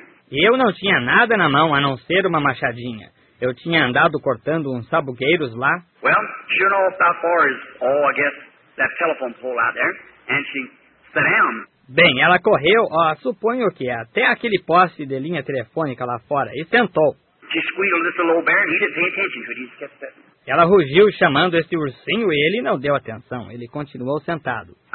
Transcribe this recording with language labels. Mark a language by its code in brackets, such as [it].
[pt] E eu não tinha nada na mão, a não ser uma machadinha. Eu tinha andado cortando uns sabugueiros lá. [en] Well, you know how far is all, I guess, that telephone pole out there. And she sat down. [pt] Bem, ela correu, ó, suponho que até aquele poste de linha telefônica lá fora, e sentou. [en] She squealed this little bear and he didn't pay attention to it. He just kept sitting. [pt] Ela rugiu chamando esse ursinho e ele não deu atenção. Ele continuou sentado.